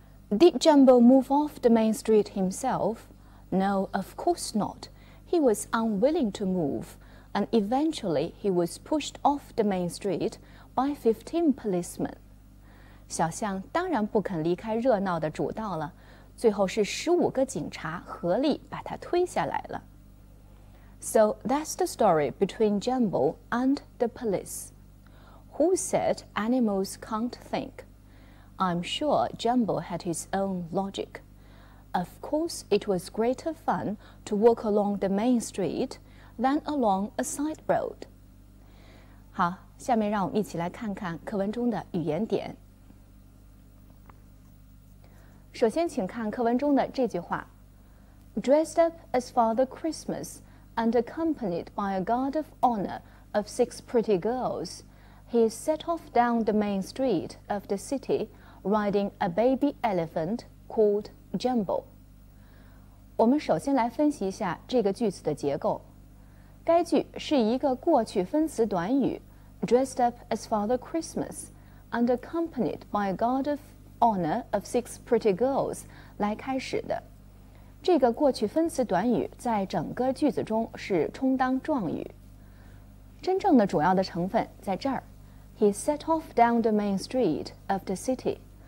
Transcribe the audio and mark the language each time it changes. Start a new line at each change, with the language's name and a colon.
English: Did Jumbo move off the main street himself? No, of course not. He was unwilling to move, and eventually he was pushed off the main street by 15 policemen.
Chinese: 小巷当然不肯离开热闹的主道了，最后是15个警察合力把他推下来了。
English: So that's the story between Jumbo and the police. Who said animals can't think? I'm sure Jumbo had his own logic. Of course, it was greater fun to walk along the main street than along a side road.
Chinese: 好，下面让我们一起来看看课文中的语言点。首先请看课文中的这句话。
English: Dressed up as Father Christmas and accompanied by a guard of honor of six pretty girls, he set off down the main street of the city riding a baby elephant called Jumbo.
Chinese: 我们首先来分析一下这个句子的结构。该句是一个过去分词短语
English: Dressed up as Father Christmas and accompanied by a guard of honor of six pretty girls
Chinese: 来开始的。这个过去分词短语在整个句子中是充当状语，真正的主要的成分在这儿。
English: He set off down the main street of the city.